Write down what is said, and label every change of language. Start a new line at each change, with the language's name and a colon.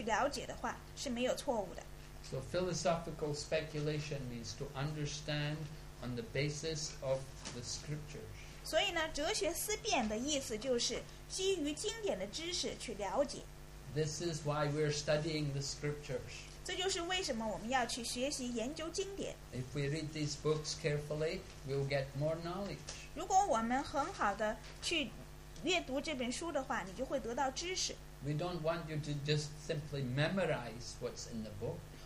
Chinese: 但是如果你基于经典的知识去了解的话，是没有错误的。
English: So philosophical speculation means to understand on the basis of the scriptures.
Chinese: 所以呢，哲学思辨的意思就是基于经典的知识去了解。
English: This is why we're studying the scriptures.
Chinese: 这就是为什么我们要去学习研究经典。
English: If we read these books carefully, we'll get more knowledge.
Chinese: 如果我们很好的去阅读这本书的话，你就会得到知识。
English: We don't want you to just simply memorize what's in the book.